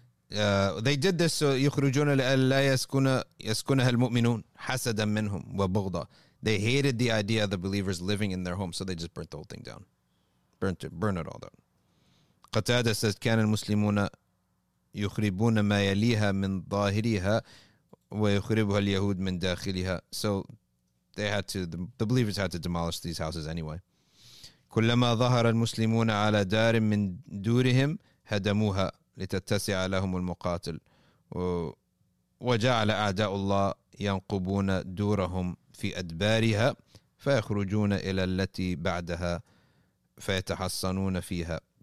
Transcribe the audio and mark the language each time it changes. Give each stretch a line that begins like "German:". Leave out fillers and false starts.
English: They did this, so,
Arabic: يُخْرُجُونَ لَأَلَّا يَسْكُنَهَا الْمُؤْمِنُونَ حَسَدًا مِّنْهُمْ وَبُغْضًا.
English: They hated the idea of the believers living in their home, so they just burnt the whole thing down. Burn it all down. Qatada says,
Arabic: كان المسلمون يخربون ما يليها من ظاهرها ويخربها اليهود من داخلها.
English: So they had to, the believers had to demolish these houses anyway.
Arabic: كلما ظهر المسلمون على دار من دورهم هدموها لتتسع لهم المقاتل وجعل أعداء الله ينقبون دورهم في أدبارها فيخرجون إلى التي بعدها فَيَتَحَصَّنُونَ فِيهَا.